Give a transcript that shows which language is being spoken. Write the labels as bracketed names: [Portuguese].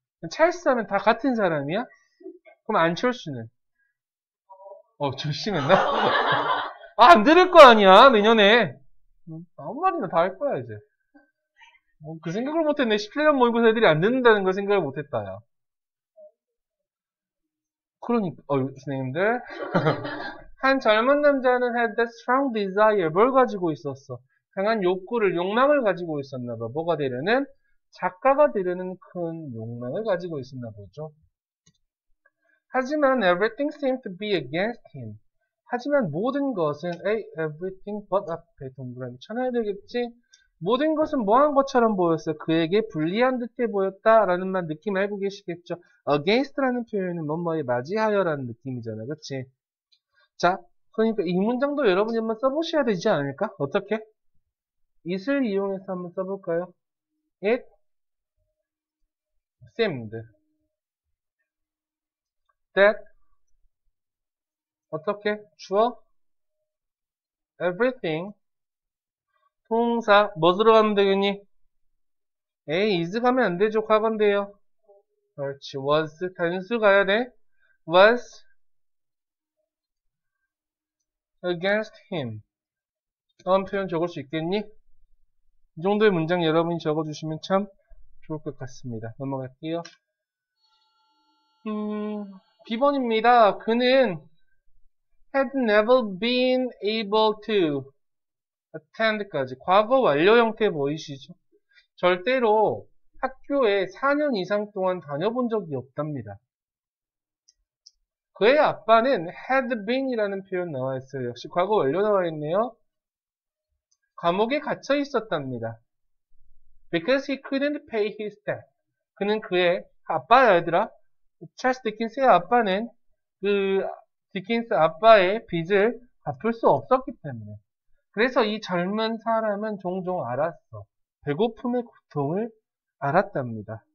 [Korean] 찰스 하면 다 같은 사람이야? 그럼 안철수는? 철수는 나? 아, 안 들을 거 아니야, 내년에. 아무 말이나 다 할 거야, 이제. 그 생각을 못 했네. 17년 모의고사 애들이 안 듣는다는 걸 생각을 못 했다, 야. 그러니까, 선생님들. 한 젊은 남자는 [English] had that strong desire. [Korean] 뭘 가지고 있었어? 강한 욕구를, 욕망을 가지고 있었나 봐. 뭐가 되려는? 작가가 되려는 큰 욕망을 가지고 있었나 보죠. 하지만 [English] everything seemed to be against him. [Korean] 하지만 모든 것은 에이, [English] everything but [Korean] 앞에 동그라미 쳐놔야 되겠지? 모든 것은 뭐한 것처럼 보였어? 그에게 불리한 듯해 보였다라는 말 느낌 알고 계시겠죠? against라는 표현은 뭐뭐에 맞이하여라는 느낌이잖아, 그치? 자, 그러니까 이 문장도 여러분이 한번 써보셔야 되지 않을까? 어떻게? it을 이용해서 한번 써볼까요? [English] it seemed that [Korean] 어떻게? 주어? everything 동사 뭐 들어가면 되겠니? 에이, is 가면 안 되죠. 과거인데요. 그렇지. [English] was [Korean] 단수 가야 돼. [English] was against him. [Korean] 다음 표현 적을 수 있겠니? 이 정도의 문장 여러분이 적어주시면 참 좋을 것 같습니다. 넘어갈게요. B번입니다. 그는 [English] had never been able to attend까지. [Korean] 과거 완료 형태 보이시죠? 절대로 학교에 4년 이상 동안 다녀본 적이 없답니다. 그의 아빠는 [English] had been [Korean] 이라는 표현 나와 있어요. 역시 과거 완료 나와 있네요. 감옥에 갇혀 있었답니다. [English] Because he couldn't pay his debt. [Korean] 그는 그의 아빠야, 얘들아. 찰스 디킨스의 아빠는 그 디킨스 아빠의 빚을 갚을 수 없었기 때문에. 그래서 이 젊은 사람은 종종 알았어. 배고픔의 고통을 알았답니다.